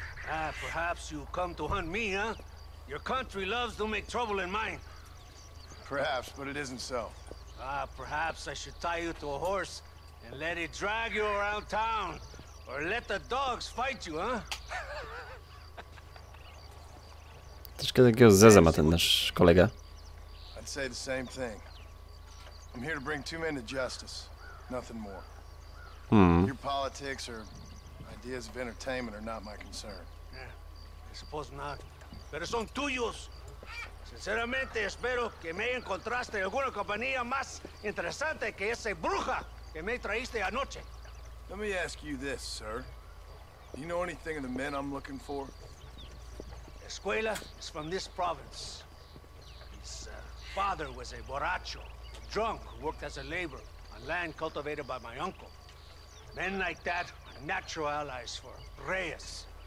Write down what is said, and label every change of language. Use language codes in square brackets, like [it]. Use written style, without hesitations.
[en] Ah, perhaps you come to hunt me, huh? Your country loves to make trouble in mine. Perhaps, but it isn't so. Ah, perhaps I should tie you to a horse and let it drag you around town. Or let the dogs fight you, huh? [pl] Troszkę takiego zeza ma ten nasz kolega. [en] I'd say the same thing. I'm here to bring two men to justice. Nothing more. Your politics or ideas of entertainment are not my concern. Yeah, I suppose not. [es] Pero son tuyos. Sinceramente, espero que me encontraste alguna compañía más interesante que ese bruja que me traíste anoche. [en] Let me ask you this, sir. Do you know anything of the men I'm looking for? Escuela is from this province. His father was a borracho, drunk, who worked as a laborer on land cultivated by my uncle. Men like that are natural allies for Reyes.